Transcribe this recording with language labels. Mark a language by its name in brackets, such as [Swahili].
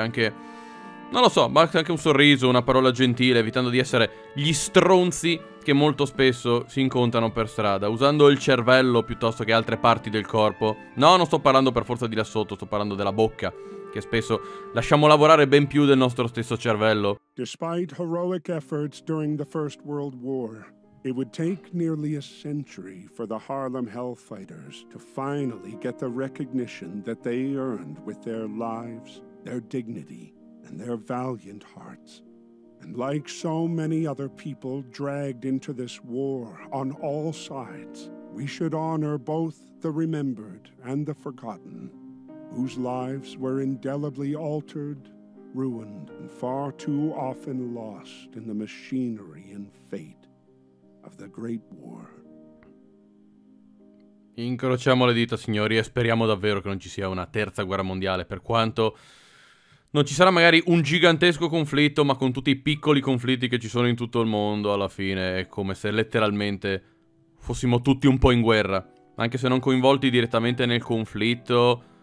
[Italian] Anche, non lo so, basta anche un sorriso, una parola gentile, evitando di essere gli stronzi che molto spesso si incontrano per strada, usando il cervello piuttosto che altre parti del corpo. No, non sto parlando per forza di là sotto, sto parlando della bocca, che spesso lasciamo lavorare ben più del nostro stesso cervello. [English] Despite heroic efforts during the First World War, it would take nearly a century for the Harlem Hellfighters to finally get the recognition that they earned with their lives, their dignity, and their valiant hearts. And like so many other people dragged into this war on all sides, we should honor both the remembered and the forgotten, whose lives were indelibly altered, ruined, and far too often lost in the machinery and fate of the Great War. [Italian] Incrociamo le dita, signori, e speriamo davvero che non ci sia una terza guerra mondiale, per quanto non ci sarà magari un gigantesco conflitto, ma con tutti i piccoli conflitti che ci sono in tutto il mondo, alla fine è come se letteralmente fossimo tutti un po' in guerra, anche se non coinvolti direttamente nel conflitto.